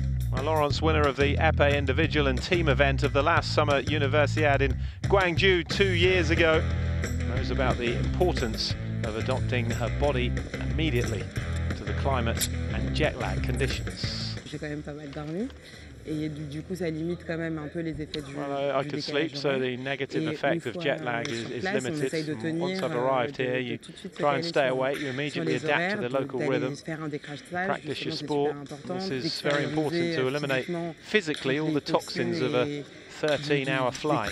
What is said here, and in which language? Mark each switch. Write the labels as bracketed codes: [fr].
[en] My Laurence, winner of the Epée individual and team event of the last Summer Universiade in Guangzhou 2 years ago, knows about the importance of adapting her body immediately to the climate and jet lag conditions. [fr] J'ai quand même pas mal dormi. Et du coup, ça limite quand même un peu les effets du [en] décalage. Well, I can sleep, so the negative effect of jet lag is limited. Once I've arrived here, you try and stay awake. You immediately adapt to the local rhythm. Practice your sport. This is very important to eliminate physically all the toxins of a 13-hour flight.